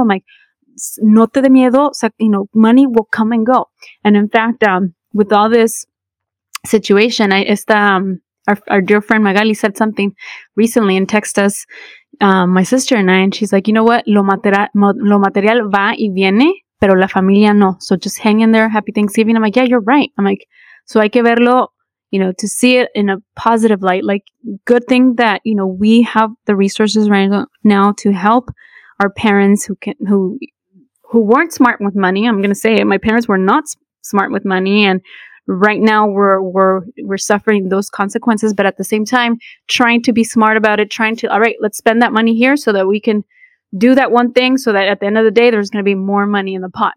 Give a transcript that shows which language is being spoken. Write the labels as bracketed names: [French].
[English] I'm like, [Spanish] no te de miedo, [English] so, you know, money will come and go. And in fact, with all this situation, our dear friend Magali said something recently and texted us, my sister and I, and she's like, you know what? [Spanish] Lo material va y viene, pero la familia no. [English] So just hang in there. Happy Thanksgiving. I'm like, yeah, you're right. I'm like, so [Spanish] hay que verlo, [English] you know, to see it in a positive light. Like, good thing that, you know, we have the resources right now to help our parents who weren't smart with money. I'm going to say it. My parents were not smart with money, and right now we're suffering those consequences, but at the same time, trying to be smart about it, trying to, all right, let's spend that money here so that we can do that one thing, so that at the end of the day, there's going to be more money in the pot.